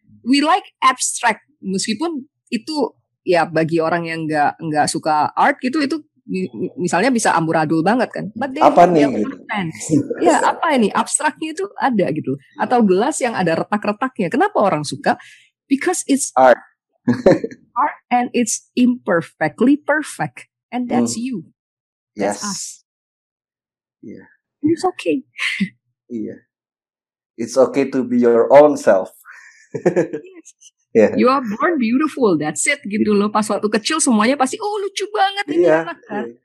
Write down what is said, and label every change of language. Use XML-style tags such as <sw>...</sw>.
<en>We like abstract.</en> <id>Meskipun itu ya bagi orang yang gak suka art gitu. Itu misalnya bisa amburadul banget kan.</id> <en>But they,</en> <id>apa nih? Gitu. Ya apa ini? Abstraknya itu ada gitu. Atau gelas yang ada retak-retaknya. Kenapa orang suka?</id> <en>Because it's art. Art and it's imperfectly perfect. And that's you. That's Us. Yeah. It's okay. Yeah. It's okay to be your own self. Yeah. You are born beautiful. That's it</en> <id>gitu loh. Pas waktu kecil semuanya pasti oh lucu banget ini anak kan.</id>